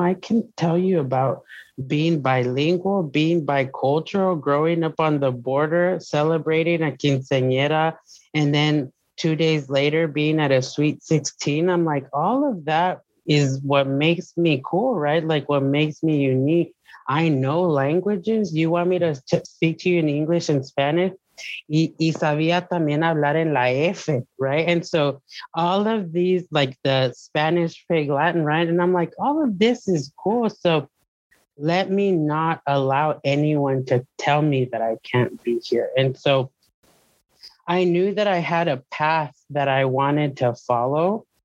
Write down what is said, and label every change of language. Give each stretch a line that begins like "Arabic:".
English: I can tell you about being bilingual, being bicultural, growing up on the border, celebrating a quinceañera, and then 2 days later being at a sweet 16. I'm like, all of that is what makes me cool, right? Like what makes me unique. I know languages. You want me to speak to you in English and Spanish?
Spanish: Y sabía también hablar en la F, right?
English: And so all of these, like the Spanish, pig, Latin, right? And I'm like, all of this is cool. So let me not allow anyone to tell me that I can't be here. And so I knew that I had a path that I wanted to follow.